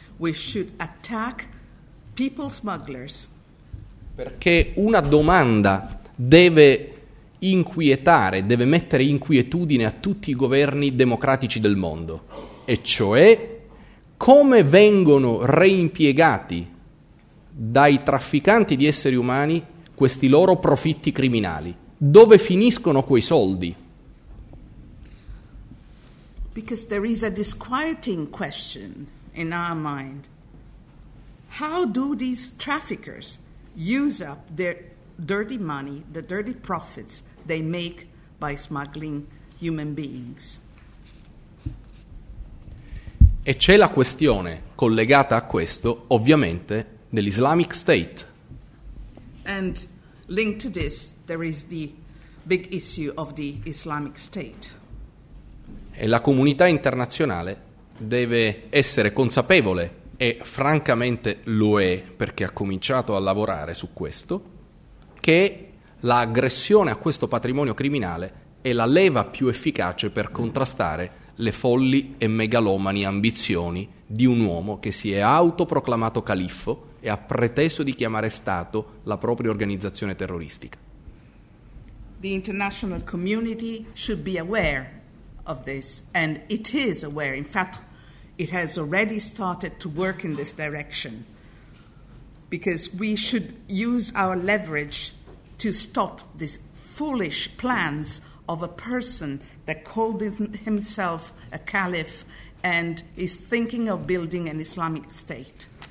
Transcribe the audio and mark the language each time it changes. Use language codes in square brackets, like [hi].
[en] We should attack people smugglers. [it] Perché una domanda deve inquietare, deve mettere inquietudine a tutti i governi democratici del mondo. E cioè, come vengono reimpiegati dai trafficanti di esseri umani questi loro profitti criminali? Dove finiscono quei soldi? [en] Because there is a disquieting question in our mind. How do these traffickers use up their dirty money, the dirty profits they make by smuggling human beings? [it] E c'è la questione collegata a questo, ovviamente, dell'Islamic State. [en] And linked to this, there is the big issue of the Islamic State. [it] E la comunità internazionale deve essere consapevole, e francamente lo è perché ha cominciato a lavorare su questo, che l'aggressione a questo patrimonio criminale è la leva più efficace per contrastare le folli e megalomani ambizioni di un uomo che si è autoproclamato califfo e ha preteso di chiamare Stato la propria organizzazione terroristica. [en] The international community should be aware of this, and it is aware. In fact, it has already started to work in this direction, because we should use our leverage to stop these foolish plans of a person that called himself a caliph and is thinking of building an Islamic state.